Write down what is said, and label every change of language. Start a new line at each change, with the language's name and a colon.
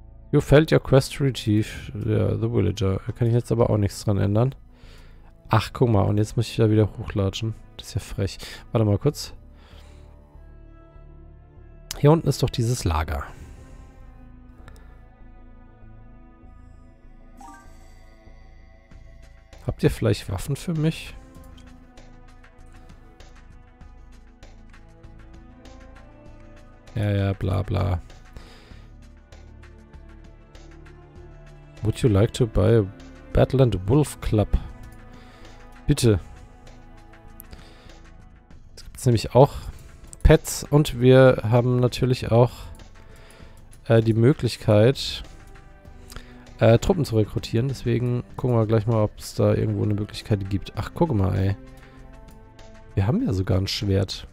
English: You failed your quest to retrieve the villager.
German: Da kann ich jetzt aber auch nichts dran ändern. Ach, guck mal. Und jetzt muss ich da wieder hochlatschen. Das ist ja frech. Warte mal kurz. Hier unten ist doch dieses Lager. Habt ihr vielleicht Waffen für mich? Ja, bla bla.
English: Would you like to buy a Battle and Wolf Club?
German: Bitte. Es gibt nämlich auch Pets und wir haben natürlich auch die Möglichkeit, Truppen zu rekrutieren. Deswegen gucken wir gleich mal, ob es da irgendwo eine Möglichkeit gibt. Ach, guck mal, ey. Wir haben ja sogar ein Schwert.